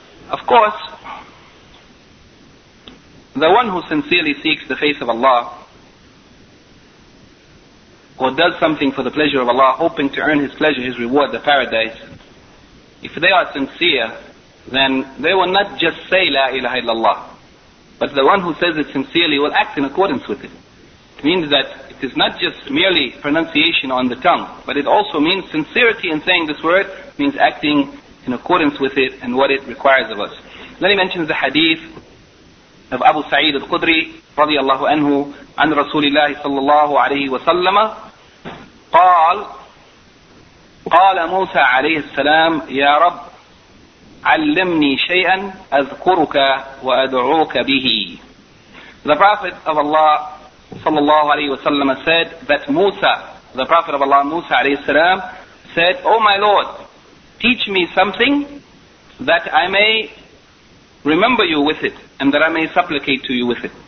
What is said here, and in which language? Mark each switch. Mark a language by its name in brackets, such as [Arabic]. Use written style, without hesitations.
[English] Of course, the one who sincerely seeks the face of Allah, or does something for the pleasure of Allah, hoping to earn his pleasure, his reward, the paradise, if they are sincere, then they will not just say La ilaha illallah, but the one who says it sincerely will act in accordance with it. It means that it is not just merely pronunciation on the tongue, but it also means sincerity in saying this word, means acting in accordance with it and what it requires of us. Then he mentions the hadith of Abu Sa'id al-Khudri, [Arabic] رضي الله عنه عن رسول الله صلى الله عليه وسلم قال قال موسى عليه السلام يا رب علمني شيئا أذكرك وأدعوك به. [English] The Prophet of Allah [Arabic] صلى الله عليه وسلم [English] said that Musa, the Prophet of Allah Musa [Arabic] عليه السلام [English] said, O my Lord, teach me something that I may remember you with it and that I may supplicate to you with it.